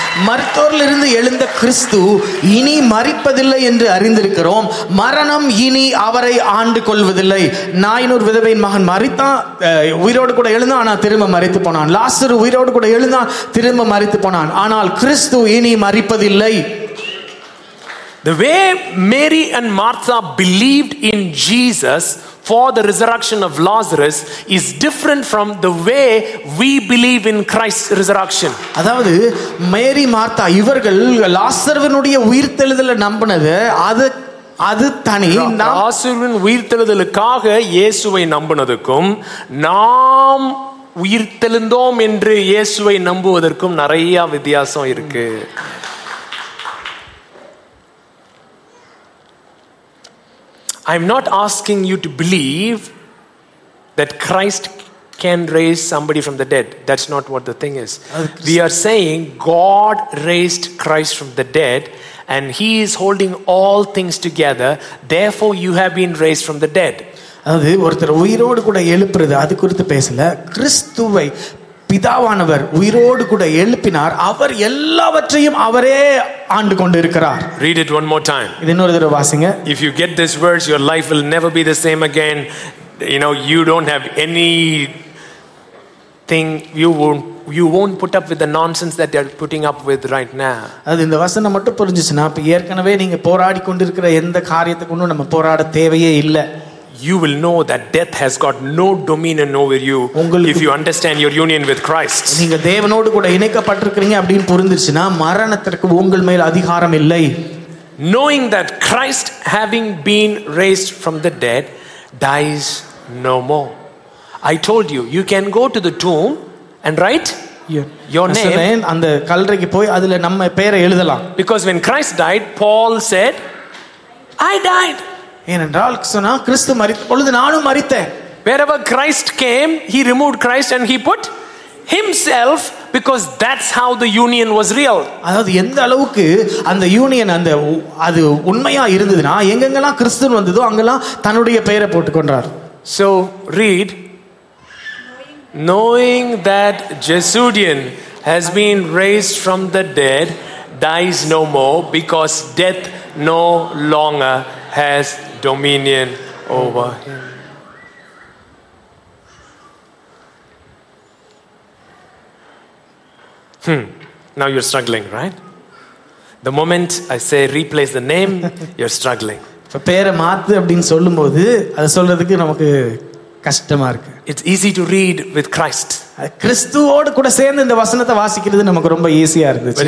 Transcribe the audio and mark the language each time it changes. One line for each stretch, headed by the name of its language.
Tamil: மருத்துவரிலிருந்து எழுந்த கிறிஸ்து இனி மரிப்பதில்லை என்று அறிந்திருக்கிறோம். மரணம் இனி அவரை ஆண்டு கொள்வதில்லை. நாயனூர் விதவையின் மகன் மரித்தான், உயிரோடு கூட எழுந்தான், ஆனா திரும்ப மரித்து போனான். லாசரு உயிரோடு கூட எழுந்தான், திரும்ப மரித்து போனான். ஆனால் கிறிஸ்து இனி மரிப்பதில்லை.
English: The way Mary and Martha believed in Jesus for the resurrection of Lazarus is different from the way we believe in Christ's resurrection.
Tamil: அதாவது மேரி மார்த்தா இவர்கள் லாசருவினுடைய உயிர்த்தெழுதலை நம்பினது அது தனி. லாசருவின் உயிர்த்தெழுதலுக்காக இயேசுவை நம்பினதுக்கும் நாம் உயிர்த்தெழுந்தோம் என்று இயேசுவை நம்புவதற்கும் நிறைய வித்தியாசம் இருக்கு.
English: I'm not asking you to believe that Christ can raise somebody from the dead. That's not what the thing is. We are saying God raised Christ from the dead and he is holding all things together. Therefore, you have been raised from the dead.
Tamil: அது ஒருத்தர் உயிரோடு கூட எழுப்புறது அது குறித்து பேசல. கிறிஸ்துவை பிதாவானவர் உயிரோடு கூட எழுப்பினார், அவர் எல்லாவற்றையும் அவரே ஆண்டு கொண்டிருக்கிறார்.
English: Read it one more time.
Tamil: இது இன்னொரு தடவை வாசிங்க.
English: If you get this words, your life will never be the same again. You know, you don't have any thing, you won't put up with the nonsense that they are putting up with right now.
Tamil: அது இந்த வசனம் மட்டும் புரிஞ்சுச்சுனா அப்ப ஏற்கனவே நீங்க போராடி கொண்டிருக்கிற எந்த காரியத்துக்கும் நம்ம போராட தேவையே இல்லை.
English: You will know that death has got no dominion over you if you understand your union with Christ.
Tamil: நீங்க தேவனோடு கூட இணைக்கப்பட்டிருக்கீங்க அப்படிን புரிஞ்சிருச்சுனா மரணத்துக்கு உங்கள் மேல் அதிகாரம் இல்லை.
English: Knowing that Christ, having been raised from the dead, dies no more. I told you, you can go to the tomb and write your name.
Tamil: அந்த கல்லறைக்கு போய் அதுல நம்ம பெயரை எழுதலாம்.
English: Because when Christ died, Paul said, I died.
Tamil: ஏனென்றால் சொன்னா கிறிஸ்து மரித்த பொழுது நானும் மரித்தேன்.
English: Wherever Christ came, he removed Christ and he put himself, because that's how the union was real.
Tamil: அதாவது எந்த அளவுக்கு அந்த யூனியன் அந்த அது உண்மையா இருந்ததுனா எங்கெங்கெல்லாம் கிறிஸ்து வந்ததோ அங்கெல்லாம் தன்னுடைய பெயரை போட்டுக்கொண்டார்.
English: So read, knowing that Jesudian has been raised from the dead, dies no more, because death no longer has dominion over him. Now you're struggling, right? The moment I say replace the name, you're struggling.
Tamil: For பேரை மாத்து அப்படினு சொல்லும்போது அது சொல்றதுக்கு நமக்கு கஷ்டமா இருக்கு.
English: It's easy to read with Christ.
Tamil: கிறிஸ்துவோடு கூட சேர்ந்து இந்த வசனத்தை வாசிக்கிறது நமக்கு ரொம்ப ஈஸியா இருந்துச்சு.